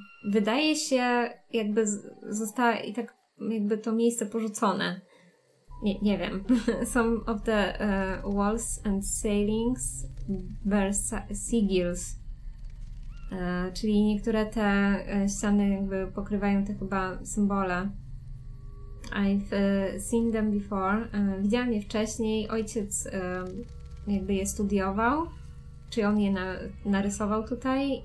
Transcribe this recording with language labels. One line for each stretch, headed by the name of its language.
Polish: Wydaje się, jakby została i tak jakby to miejsce porzucone. Nie wiem.
English: Some of the walls and ceilings bear sigils.
Polish: Czyli niektóre te ściany jakby pokrywają te chyba symbole.
English: I've seen them before.
Polish: Widziałam je wcześniej. Ojciec jakby je studiował. Czy on je narysował tutaj?